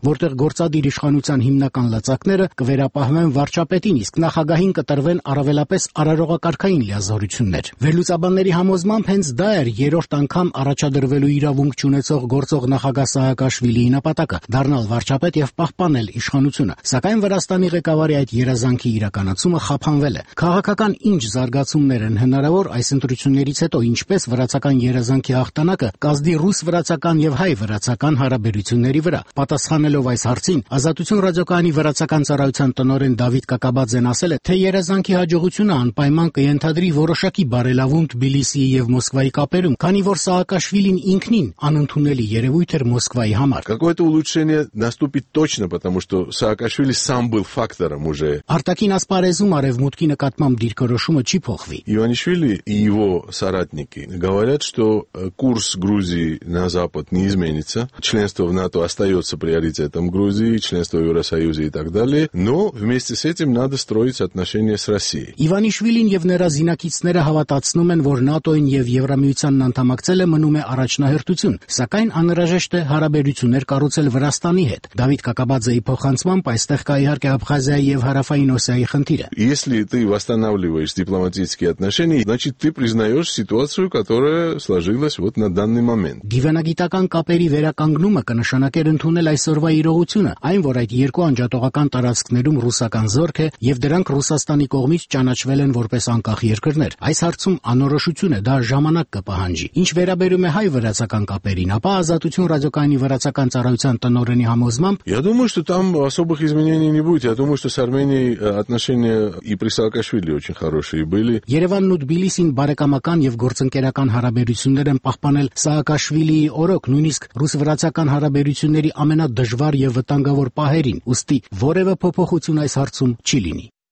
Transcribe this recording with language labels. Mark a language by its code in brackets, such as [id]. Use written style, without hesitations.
[hy] որտեղ գործադիր իշխանության հիմնական լծակները կվերապահվեն վարչապետին, իսկ նախագահին կտրվեն առավելապես արարողակարգային լիազորություններ։ Վերլուծաբանների համոզմամբ հենց դա էր երրորդ անգամ առաջադրվելու իրավունք ունեցող գործող նախագահ Սահակաշվիլիի նպատակը՝ դառնալ վարչապետ եւ պահպանել իշխանությունը։ Սակայն Վրաստանի ղեկավարի այդ երազանքի իրականացումը խափանվել է։ Քաղաքական ինչ զարգացումներ են հնարավոր այս ընտրություններից հետո, ինչպես վրացական երազանքի հաղթանակը կազդի ռուս-վրացական եւ հայ-վրացական հարաբերությունների վրա։ Պատասխանելով այս հարցին, Ազատություն ռադիոկայանի վրացական ծառայության տնօրեն Դավիթ Կակաբաձեն ասել է, թե երազանքի հաջողությունը անպայման կընդհատի որոշակի բարելավում Թբիլիսիի եւ Մոսկվայի կապերում, քանի որ Սահակաշվիլին ինքնին անընդունելի երևույթ էր Մոսկվայի համար։ [ru] Какое-то улучшение наступит точно, потому что Саакашвили сам был фактором уже. [hy] Արտակին ասպարեզում արևմուտքի նկատմամբ դիրքորոշումը չի փոխվի։ [ru] Իվանիշվիլի и его соратники говорят, что курс Грузии на запад не изменится, членство в НАТО остается приоритетом Грузии, членство в Евросоюзе и так далее, но вместе с этим надо строить отношения с Россией. [hy] Իվանիշվիլին եւ նրա զինակիցները հավատացնում են, որ ՆԱՏՕ-ն եւ Եվրամիությանն անդամակցել է մնում է առաջնահերթություն, սակայն անհրաժեշտ է հարաբերություններ կառուցել Վրաստանի հետ։ Դավիթ Կակաբաձեի փոխանցումը այստեղ կա իհարկե Աբխազիայի եւ Հարավային Օսիայի խնդիրը։ [ru] Если ты восстанавливаешь дипломатические отношения, значит ты признаёшь ситуацию, которая сложилась вот на данный момент. [hy] Գիվանագիտական կապերի վերականգնումը կնշանակեր ընդունել այսօրվա իրողությունը, այն որ այդ երկու անջատողական տարածքներում ռուսական զորք է եւ դրանք Ռուսաստանի կողմից ճանաչվել են որպես անկախ երկրներ։ Այս հարցում անորոշություն է, դա ժամանակ կպահանջի։ Ինչ վերաբերում է հայ-վրացական կապերին, ապա Ազատություն ռադիոկայանի վրացական ծառայության տնօրենի համոզմամբ, [ru] я думаю, что там особых изменений не будет. Я думаю, что с Арменией отношения и при Саакашвили очень хорошие были. [hy] Երևանն ու Թբիլիսին բարեկամական եւ գործընկերական հարաբերություններ են պահպանել Սահակաշվիլի օրոք, նույնիսկ ռուս-վրացական հարաբերությունների ամենադժվար եւ վտանգավոր պահերին, ուստի որևէ փոփոխություն այս հարցում չի լինի։